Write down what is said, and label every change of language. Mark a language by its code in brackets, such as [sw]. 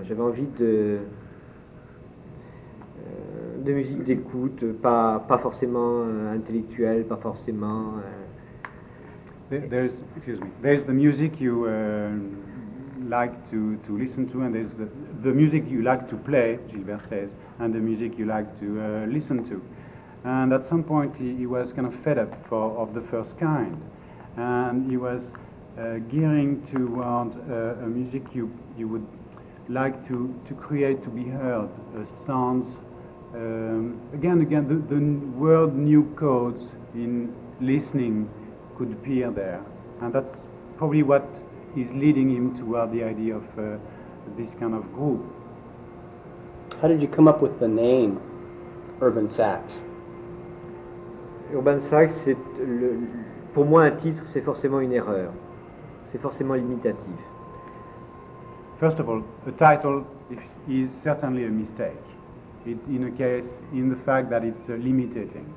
[fr] J'avais envie de musique d'écoute, pas forcément intellectuelle, pas forcément. [en] There's the music you like to listen to, and there's the music you like to play, Gilbert says, and the music you like to listen to. And at some point, he was kind of fed up of the first kind, and he was gearing toward a music you would like to create, to be heard, a sounds, again, the word new codes in listening could appear there. And that's probably what is leading him toward the idea of this kind of group. How did you come up with the name Urban Sax? [fr] Urban Sax, c'est pour moi un titre, c'est forcément une erreur. C'est forcément limitatif. [en] First of all, a title is certainly a mistake. In the fact that it's limiting.